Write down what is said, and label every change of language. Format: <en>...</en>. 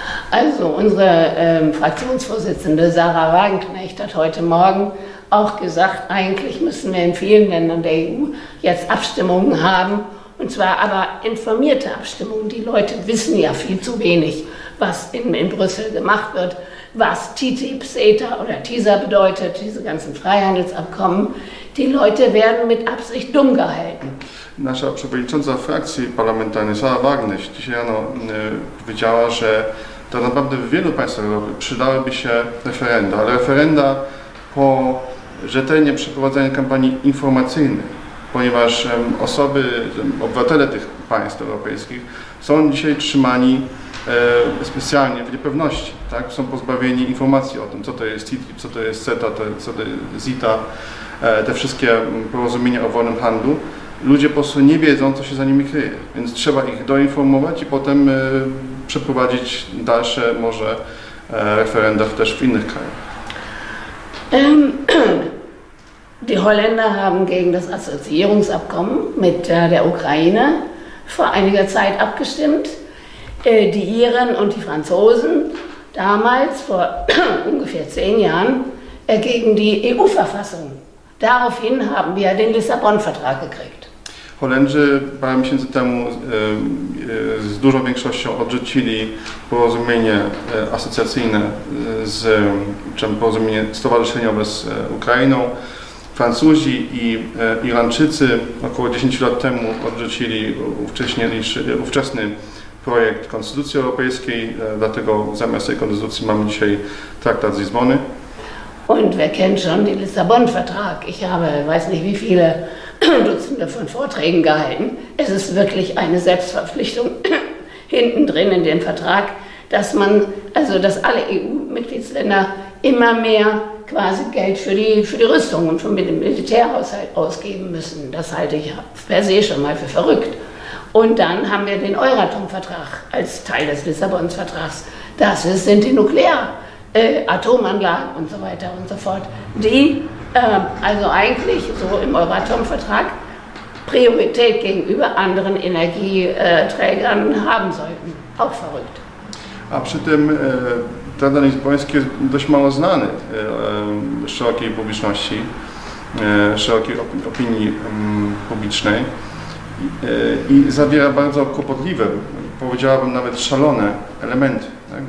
<de>Also unsere Fraktionsvorsitzende Sarah Wagenknecht hat heute Morgen auch gesagt, eigentlich müssen wir in vielen Ländern der EU jetzt Abstimmungen haben, und zwar aber informierte Abstimmungen. Die Leute wissen ja viel zu wenig, was in Brüssel gemacht wird, was TTIP, CETA oder TISA bedeutet, diese ganzen Freihandelsabkommen. Die Leute werden mit Absicht dumm gehalten.</de> <pl>Nasza przewodnicząca frakcji parlamentarnej Sarah Wagenknecht dzisiaj rano powiedziała, że to naprawdę w wielu państwach Europy przydałyby się referenda, ale referenda po rzetelnie przeprowadzeniu kampanii informacyjnej, ponieważ obywatele tych państw europejskich są dzisiaj trzymani specjalnie w niepewności, tak? Są pozbawieni informacji o tym, co to jest TTIP, co to jest CETA, co to jest ZITA, te wszystkie porozumienia o wolnym handlu. Ludzie po prostu nie wiedzą, co się za nimi kryje, więc trzeba ich doinformować i potem przeprowadzić dalsze może referenda też w innych krajach.</pl> <de>Die Holländer haben gegen das Assoziierungsabkommen mit der Ukraine vor einiger Zeit abgestimmt. Die Iren und die Franzosen damals vor ungefähr 10 Jahren gegen die EU-Verfassung. Daraufhin haben wir den Lissabon-Vertrag gekriegt.</de> <pl>Holendrzy parę miesięcy temu z dużą większością odrzucili porozumienie asocjacyjne z porozumienie stowarzyszeniowe z Ukrainą. Francuzi i Irlandczycy około 10 lat temu odrzucili ówczesny projekt Konstytucji Europejskiej, dlatego zamiast tej konstytucji mamy dzisiaj traktat z Lizbony.</pl> <de>Und wer kennt schon den Lissabon-Vertrag? Ich habe, weiß nicht wie viele Dutzende von Vorträgen gehalten. Es ist wirklich eine Selbstverpflichtung hinten drin in den Vertrag, dass man, also dass alle EU-Mitgliedsländer immer mehr quasi Geld für die Rüstung und für den Militärhaushalt ausgeben müssen. Das halte ich per se schon mal für verrückt. Und dann haben wir den Euratom-Vertrag als Teil des Lissabon-Vertrags. Das sind die Nuklear-Atomanlagen und so weiter und so fort, die also eigentlich so im Euratom-Vertrag Priorität gegenüber anderen Energieträgern haben sollten. Auch verrückt.</de> <pl>Traktat lizboński jest dość mało znany szerokiej publiczności, szerokiej opinii publicznej i zawiera bardzo kłopotliwe, powiedziałabym nawet szalone elementy. Tak?</pl>